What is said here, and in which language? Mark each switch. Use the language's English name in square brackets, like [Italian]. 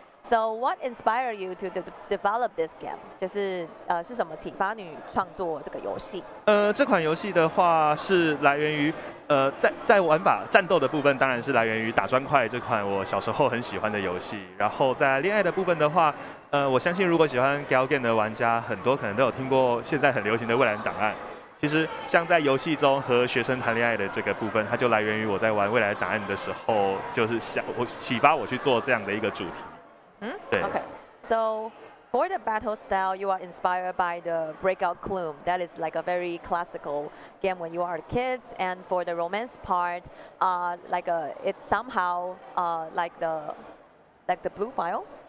[English] So, what inspired you to develop this game? [Chinese] 就是是什么启发你创作这个游戏？这款游戏的话是来源于在玩法战斗的部分，当然是来源于打砖块这款我小时候很喜欢的游戏。然后在恋爱的部分的话，我相信如果喜欢 Gal Game 的玩家，很多可能都有听过现在很流行的《蔚蓝档案》。其实像在游戏中和学生谈恋爱的这个部分，它就来源于我在玩《蔚蓝档案》的时候，就是想我启发我去做这样的一个主题。 [English] Okay, so for the battle style, you are inspired by the Breakout Gloom. That is like a very classical game when you are kids. And for the romance part, it's somehow like the blue file.